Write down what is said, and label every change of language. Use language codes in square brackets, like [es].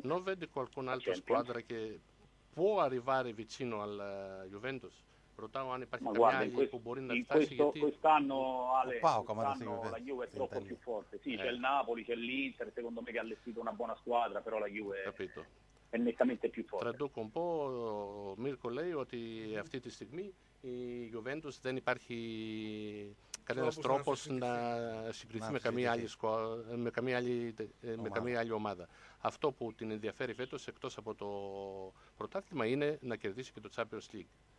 [it] Non vedi qualcun'altra squadra che può arrivare vicino alla Juventus? [el] Ρωτάω αν υπάρχει καμιά άλλη που μπορεί να φτάσει, γιατί [it] quest'anno, Ale, quest'anno la Juve è troppo più forte. Sì, c'è il Napoli, c'è l'Inter, secondo me che ha allestito una buona squadra, però la Juve è nettamente più forte. Traduco un po', [el] Mirko λέει ότι αυτή τη στιγμή η Juventus δεν υπάρχει κανένας τρόπος να συγκριθεί με καμία άλλη ομάδα. Αυτό που την ενδιαφέρει φέτος, εκτός από το πρωτάθλημα, είναι να κερδίσει και το Champions League.